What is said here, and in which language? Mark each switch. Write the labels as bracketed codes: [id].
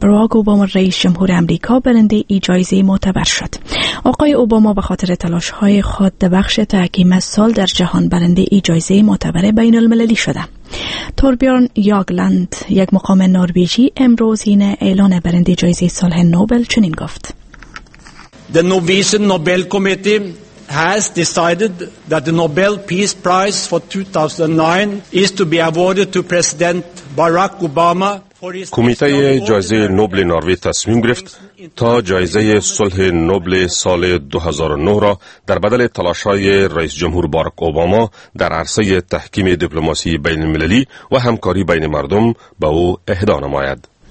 [fa] باراک اوباما رئیس جمهور آمریکا برنده این جایزه معتبر شد. آقای اوباما به خاطر تلاش های خود در بخش تحکیم صلح در جهان برنده این جایزه معتبر بین المللی شده. توربیورن یاگلند، یک مقام نروژی، امروز این اعلان برنده جایزه صلح نوبل چنین گفت: [en] The Norwegian Nobel Committee has decided that the Nobel Peace Prize for 2009 is to be awarded to President Barack Obama. [fa] کمیته جایزه نوبل نروژ تصمیم گرفت تا جایزه صلح نوبل سال 2009 را در بدل تلاش‌های رئیس جمهور باراک اوباما در عرصه تحکیم دیپلماسی بین المللی و همکاری بین مردم به او اهدا نماید.